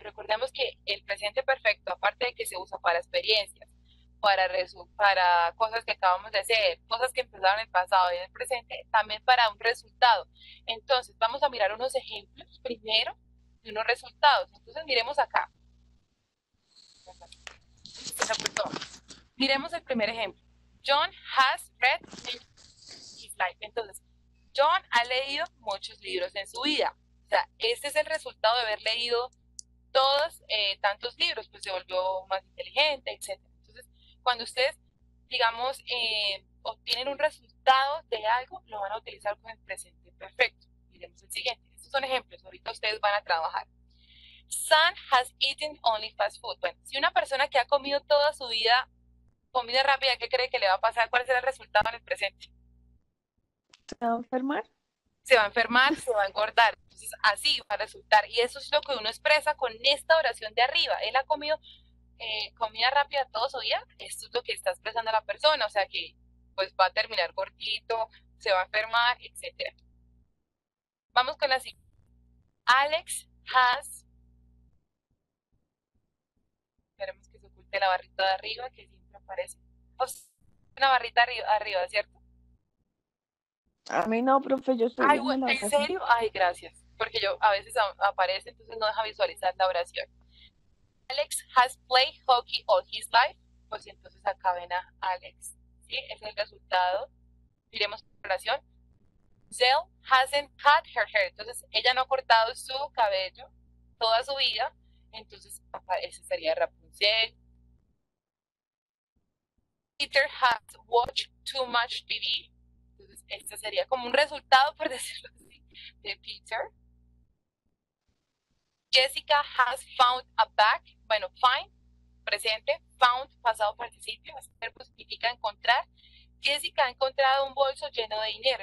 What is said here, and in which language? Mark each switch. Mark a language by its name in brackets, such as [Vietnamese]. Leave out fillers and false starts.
[Spanish] Recordemos que el presente perfecto, aparte de que se usa para experiencias, para cosas que acabamos de hacer, cosas que empezaron en el pasado y en el presente, también para un resultado. Entonces, vamos a mirar unos ejemplos primero de unos resultados. Entonces, miremos acá. Miremos el primer ejemplo. [English] John has read in his life. [Spanish] Entonces, John ha leído muchos libros en su vida. O sea, ese es el resultado de haber leído todos tantos libros, pues se volvió más inteligente, etc. Entonces, cuando ustedes, digamos, obtienen un resultado de algo, lo van a utilizar con el presente perfecto. Miremos el siguiente. Estos son ejemplos. Ahorita ustedes van a trabajar. [English] Sam has eaten only fast food. [Spanish] Bueno, si una persona que ha comido toda su vida comida rápida, ¿qué cree que le va a pasar? ¿Cuál será el resultado en el presente? ¿Se va a enfermar? Se va a enfermar, se va a engordar. Entonces, así va a resultar. Y eso es lo que uno expresa con esta oración de arriba. Él ha comido comida rápida toda su vida. Esto es lo que está expresando la persona. O sea que pues va a terminar gordito, se va a enfermar, etc. Vamos con la siguiente. [English] Alex has... [Spanish] Esperemos que se oculte la barrita de arriba, que siempre aparece. O sea, una barrita arriba, ¿cierto? A mí no, profe, yo estoy... Ay, bueno, ¿en serio? Ay, gracias. Porque yo a veces aparece, entonces no deja visualizar la oración. [English] Alex has played hockey all his life. [Spanish] Pues entonces acá ven a Alex. ¿Sí? Es el resultado. Miremos la oración. [English] Zell hasn't cut her hair. [Spanish] Entonces ella no ha cortado su cabello toda su vida. Entonces, ese sería Rapunzel. [English] Peter has watched too much TV. [Spanish] Entonces, este sería como un resultado, por decirlo así, de Peter. [English] Jessica has found a bag. [Spanish] Bueno, [English] find, [Spanish] presente. Found, pasado participio. Este verbo significa encontrar. Jessica ha encontrado un bolso lleno de dinero.